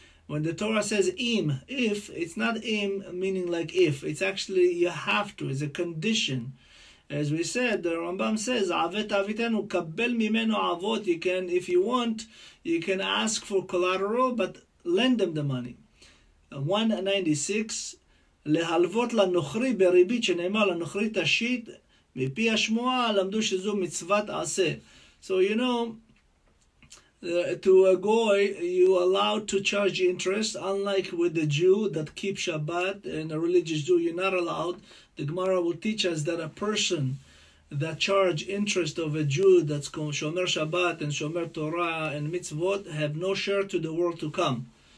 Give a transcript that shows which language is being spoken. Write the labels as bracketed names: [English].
[English] When the Torah says im, if, it's not im meaning like if, it's actually you have to, it's a condition. As we said, the Rambam says, [Hebrew] "Avet avitenu kabel mimenu avot." [English] You can, if you want, you can ask for collateral, but lend them the money. [Hebrew] 196, להלוות לנוכרי בריבית שנאמר לנוכרי תשית מפי השמועה למדו שזו מצוות עשה. [English] So you know, to a goy, you allowed to charge interest, unlike with the Jew that keeps Shabbat and a religious Jew, you're not allowed. The Gemara will teach us that a person that charge interest of a Jew that's Shomer Shabbat and Shomer Torah and mitzvot have no share to the world to come.